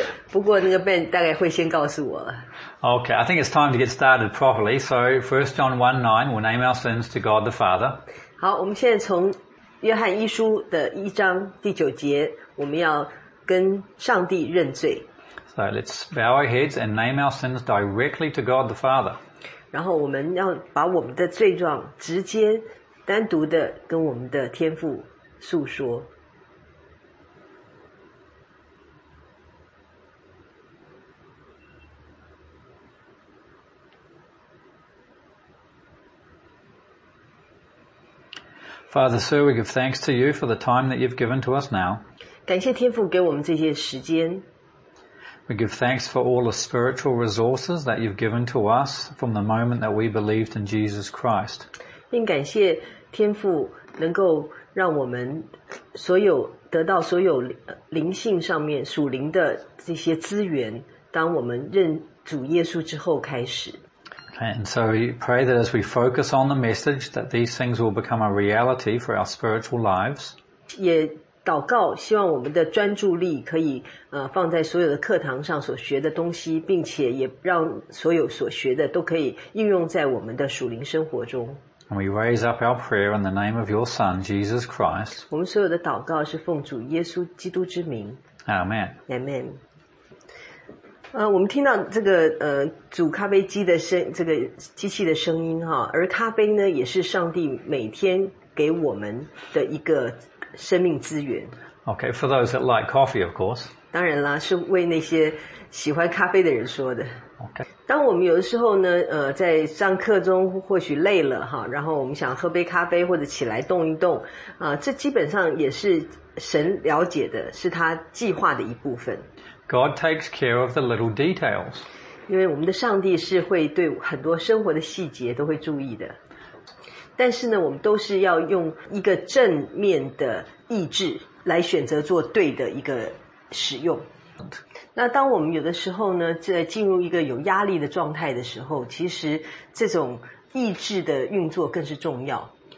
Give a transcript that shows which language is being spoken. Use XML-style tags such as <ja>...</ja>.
<zh>不过那个 Ben 大概会先告诉我了。</zh> <en>Okay, I think it's time to get started properly. So 1 John 1:9, we'll name our sins to God the Father.</en> <zh>好，我们现在从约翰一书的一章第九节，我们要跟上帝认罪。</zh> <en>So let's bow our heads and name our sins directly to God the Father.</en> <zh>然后我们要把我们的罪状直接单独的跟我们的天父诉说。</zh> <en>Father, sir, we give thanks to you for the time that you've given to us now.</en> <zh>感谢天父给我们这些时间。</zh> <en>We give thanks for all the spiritual resources that you've given to us from the moment that we believed in Jesus Christ.</en> <zh>并感谢天父能够让我们所有得到所有灵性上面属灵的这些资源，当我们认主耶稣之后开始。</zh> <en>And so we pray that as we focus on the message, that these things will become a reality for our spiritual lives.</en> <zh>也祷告，希望我们的专注力可以放在所有的课堂上所学的东西，并且也让所有所学的都可以应用在我们的属灵生活中。</zh> <en>And we raise up our prayer in the name of your Son, Jesus Christ.</en> <zh>我们所有的祷告是奉主耶稣基督之名。</zh> <en>Amen. Amen.</en> <zh>我们听到这个煮咖啡机的声，这个机器的声音哈，而咖啡呢，也是上帝每天给我们的一个生命资源。</zh> <en>Okay, for those that like coffee, of course.</en> <zh>当然啦，是为那些喜欢咖啡的人说的。</zh> <en>Okay.</en> <zh>当我们有的时候呢，在上课中或许累了哈，然后我们想喝杯咖啡或者起来动一动，这基本上也是神了解的，是他计划的一部分。</zh> <en>God takes care of the little details.</en> <zh>因为我们的上帝是会对很多生活的细节都会注意的。但是呢，我们都是要用一个正面的意志来选择做对的一个使用。那当我们有的时候呢，在进入一个有压力的状态的时候，其实这种意志的运作更是重要。</zh>